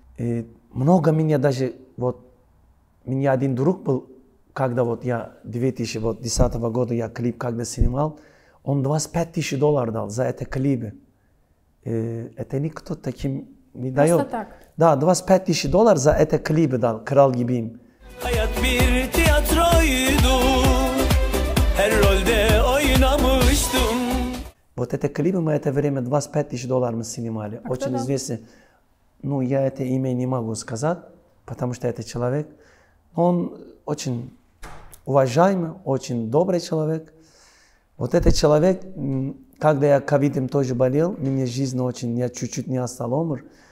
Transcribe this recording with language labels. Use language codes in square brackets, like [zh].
[ru] И много меня даже, вот, у меня один друг был, когда вот я 2010 года я клип когда снимал, он 25 тысяч долларов дал за это клипы. Это никто таким... Не просто дает. Так? Да, 25 тысяч долларов за это клип дал, «Крал Гибим». [tr] Hayat bir tiyatroydu, her rolde oynamıştım. [ru] Вот это клип мы это время 25 тысяч долларов мы снимали. А очень известный. Ну, я это имя не могу сказать, потому что это человек. Он очень уважаемый, очень добрый человек. Вот этот человек, когда я ковидом тоже болел, мне жизнь очень, я чуть-чуть не остал, умер.